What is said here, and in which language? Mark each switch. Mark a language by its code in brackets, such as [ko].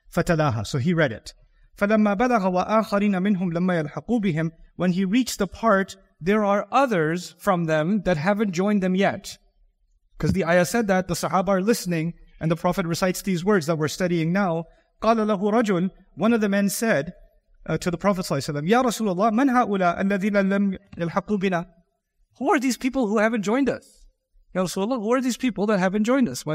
[ar] فَتَلَاهَا. [en] So he read it. [ar] فَلَمَّا بَلَغَ وَآخَرِينَ مِنْهُمْ لَمَّا يَلْحَقُوا بِهِمْ. [en] When he reached the part, there are others from them that haven't joined them yet. Because the ayah said that, the sahaba are listening, and the Prophet recites these words that we're studying now. [ar] قَالَ لَهُ رَجُلٌ. [en] One of the men said to the Prophet ﷺ, [ar] يَا رَسُولَ اللَّهِ مَنْ هَؤُلَىٰ الَّذِينَ لَمْ يَلْحَقُوا بِنَا. [en] Who are these people who haven't joined us? Ya Rasulullah, who are these people that haven't joined us?